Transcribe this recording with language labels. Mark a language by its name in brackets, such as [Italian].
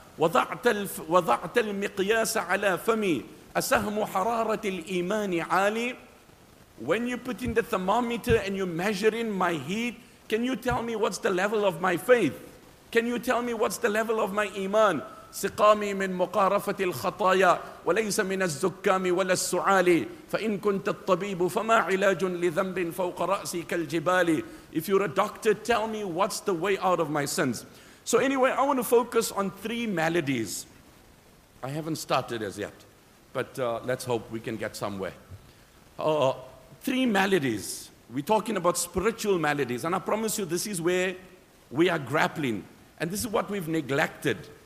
[Arabic] وَضَعْتَ الْمِقْيَاسَ عَلَى فَمِي أَسَهْمُ حَرَارَةِ الْإِيمَانِ عَالِي. [English] When you put in the thermometer and you're measuring my heat, can you tell me what's the level of my faith? Can you tell me what's the level of my iman? [Arabic] سقامي من مقارفة الخطايا وليس من الزكام ولا السعالي فإن كنت الطبيب فما علاج لذنب فوق رأسي كالجبال. [English] If you're a doctor, tell me what's the way out of my sins. So anyway, I want to focus on three maladies. I haven't started as yet, but let's hope we can get somewhere. Three maladies. We're talking about spiritual maladies, and I promise you this is where we are grappling, and this is what we've neglected.